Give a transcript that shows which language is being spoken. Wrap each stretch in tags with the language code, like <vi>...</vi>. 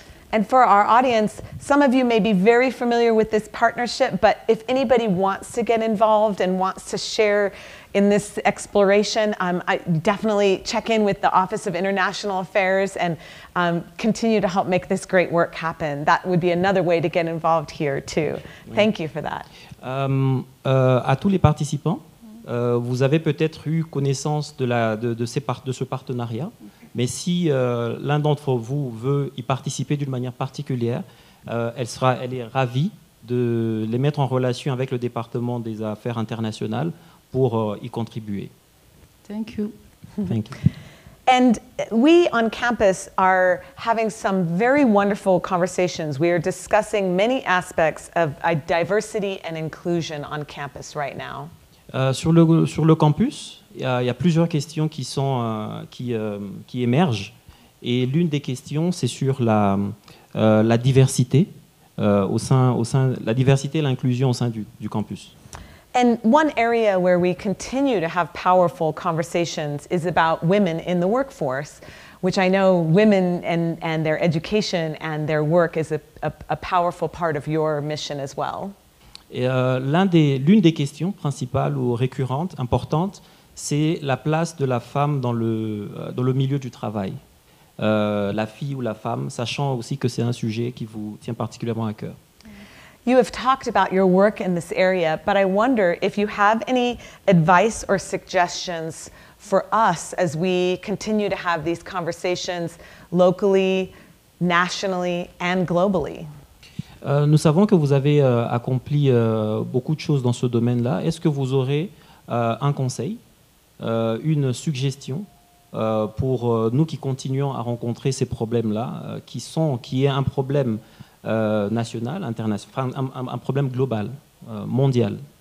<en>And for our audience, some of you may be very familiar with this partnership, but if anybody wants to get involved and wants to share in this exploration, I definitely check in with the Office of International Affairs and continue to help make this great work happen. That would be another way to get involved here too. Oui. Thank you for that.</en> <fr>À tous les participants, vous avez peut-être eu connaissance de ce partenariat, mais si l'un d'entre vous veut y participer d'une manière particulière, elle est ravie de les mettre en relation avec le département des affaires internationales pour y contribuer.</fr> <en>Thank you. Thank you. And we on campus are having some very wonderful conversations. We are discussing many aspects of diversity and inclusion on campus right now.</en> <fr>Sur le campus, il y a plusieurs questions qui émergent. Et l'une des questions, c'est sur la diversité la diversité et l'inclusion au sein du campus.</fr> <en>And one area where we continue to have powerful conversations is about women in the workforce, which I know women and their education and their work is a powerful part of your mission as well.</en> <fr>Et l'une des questions principales ou récurrentes, importantes, c'est la place de la femme dans le milieu du travail, la fille ou la femme, sachant aussi que c'est un sujet qui vous tient particulièrement à cœur.</fr> <en>You have talked about your work in this area, but I wonder if you have any advice or suggestions for us as we continue to have these conversations locally, nationally, and globally.</en> <fr>Nous savons que vous avez accompli beaucoup de choses dans ce domaine-là. Est-ce que vous aurez un conseil, une suggestion pour nous qui continuons à rencontrer ces problèmes-là, qui est un problème national, international, un problème global, mondial.</fr>